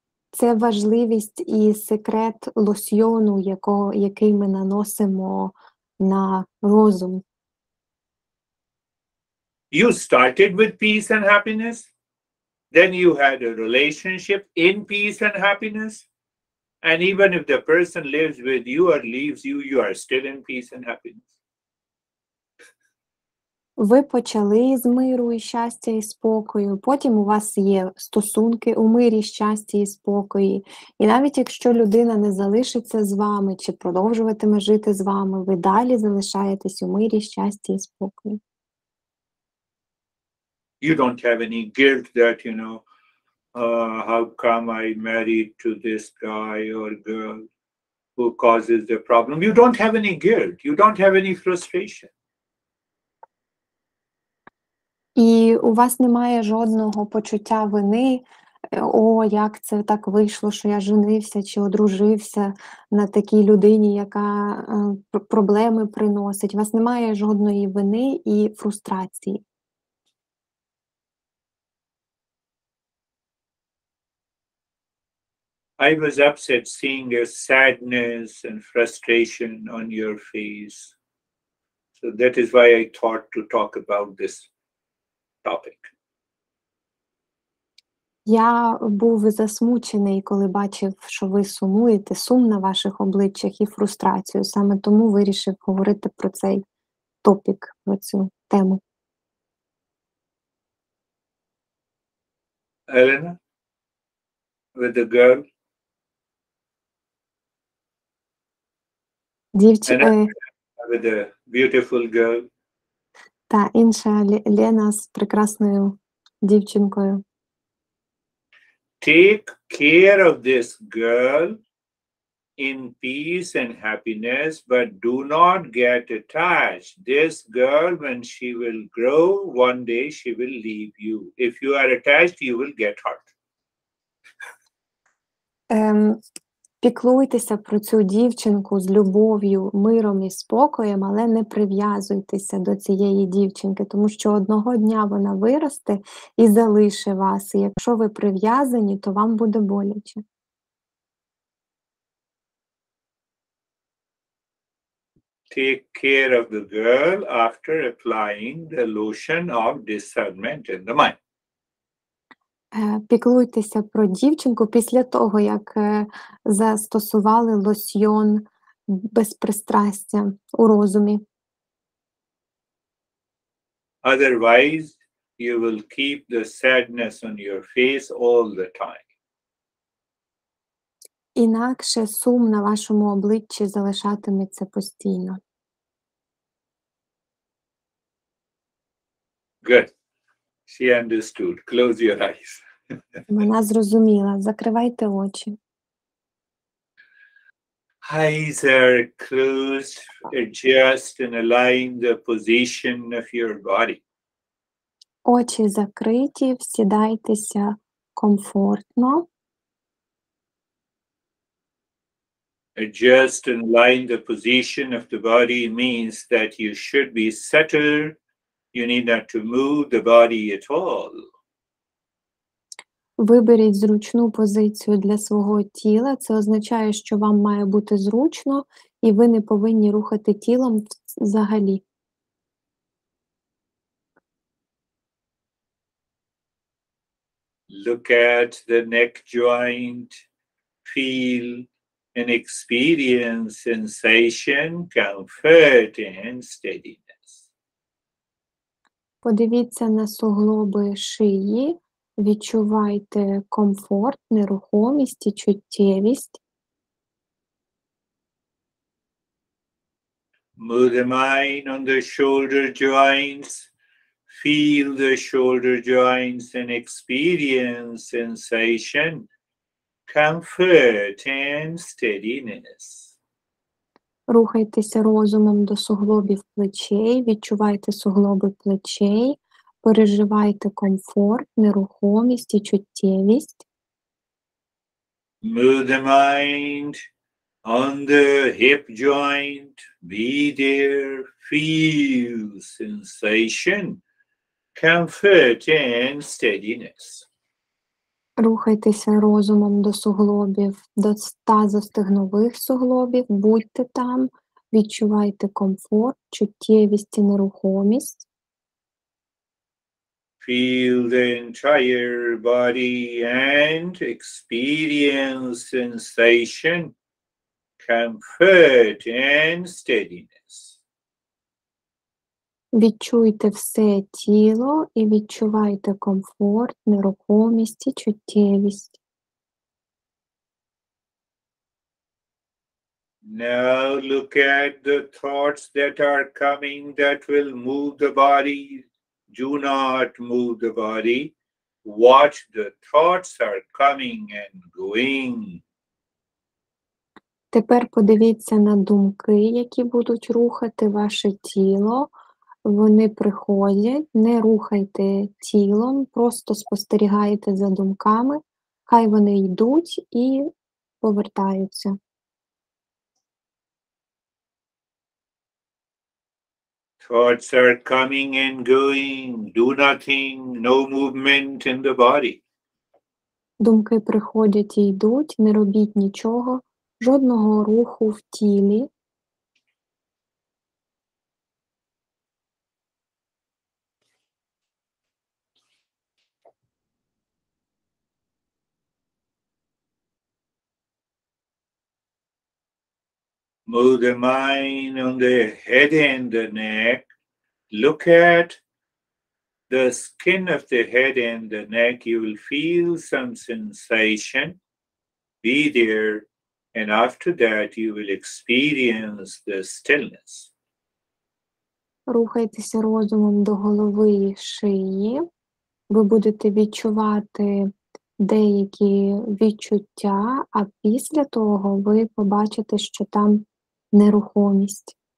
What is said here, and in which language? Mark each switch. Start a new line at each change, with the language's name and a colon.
Ukrainian: Це важливість і секрет лосьйону, який ми наносимо на розум.
English: You started with peace and happiness, then you had a relationship in peace and happiness, and even if the person lives with you or leaves you, you are still in peace and happiness.
Ukrainian: Ви почали з миру і щастя і спокою, потім у вас є стосунки у мирі, щасті і спокої. І навіть якщо людина не залишиться з вами чи продовжуватиме жити з вами, ви далі залишаєтесь у мирі, щасті і спокої.
English: You don't have any guilt that, you know, how come I married to this guy or girl who causes the problem. You don't have any guilt, you don't have any frustration.
Ukrainian: І у вас немає жодного почуття вини, о, як це так вийшло, що я женився чи одружився на такій людині, яка проблеми приносить. У вас немає жодної вини і фрустрації.
English: I was upset seeing your sadness and frustration on your face. So that is why I thought to talk about this.
Ukrainian: Я був засмучений, коли бачив, що ви сумуєте, сум на ваших обличчях і фрустрацію. Саме тому вирішив говорити про цей топік, про цю тему.
English: Елена, with the girl.
Ukrainian: Дівчина.
English: With the beautiful girl.
Ukrainian: Та інша Лена з прекрасною дівчинкою.
English: Take care of this girl in peace and happiness, but do not get attached. This girl, when she will grow, one day she will leave you. If you are attached, you will get hurt.
Ukrainian: Піклуйтеся про цю дівчинку з любов'ю, миром і спокоєм, але не прив'язуйтеся до цієї дівчинки, тому що одного дня вона виросте і залише вас. І якщо ви прив'язані, то вам буде боляче.
English: Take care of the girl after applying the lotion of discernment in the mind.
Ukrainian: Піклуйтеся про дівчинку після того, як застосували лосьйон безпристрастя у розумі.
English: Otherwise, you will keep the sadness on your face all the time.
Ukrainian: Інакше сум на вашому обличчі залишатиметься постійно.
English: Good. She understood. Close your eyes.
Ukrainian: Вона зрозуміла. Закривайте очі.
English: Eyes are closed. Adjust and align the position of your body.
Ukrainian: Очі закриті. Сідайтеся комфортно.
English: Adjust and align the position of the body means that you should be settled. You need not to move the body at all.
Ukrainian: Виберіть зручну позицію для свого тіла. Це означає, що вам має бути зручно, і ви не повинні рухати тілом взагалі.
English: Look at the neck joint, feel and experience sensation, comfort and steadiness.
Ukrainian: Подивіться на суглоби шиї. Відчувайте комфорт, нерухомість і чуттєвість.
English: Move the mind on the shoulder joints. Feel the shoulder joints and experience sensation, comfort and steadiness.
Ukrainian: Рухайтеся розумом до суглобів плечей, відчувайте суглоби плечей. Переживайте комфорт, нерухомість і чуттєвість.
English: Move the mind on the hip joint. Be there. Feel sensation, comfort and steadiness.
Ukrainian: Рухайтеся розумом до суглобів, до тазостегнових суглобів. Будьте там, відчувайте комфорт, чуттєвість і нерухомість.
English: Feel the entire body and experience sensation, comfort and steadiness.
Ukrainian: Відчуйте все тіло і відчувайте комфорт, нерухомість і чуттєвість.
English: Now look at the thoughts that are coming that will move the body. Do not move the body. Watch the thoughts are coming and going.
Ukrainian: Тепер подивіться на думки, які будуть рухати ваше тіло. Вони приходять. Не рухайте тілом, просто спостерігайте за думками. Хай вони йдуть і повертаються.
English: Thoughts are coming and going, do nothing, no movement in the body.
Ukrainian: Думки приходять і йдуть, не робіть нічого, жодного руху в тілі.
English: Move the mind on the head and the neck. Look at the skin of the head and the neck. You will feel some sensation. Be there. And after that, you will experience the stillness.
Ukrainian: рухайтеся розумом до голови і шиї. Ви будете відчувати деякі відчуття, а після того ви побачите, що там нерухомість.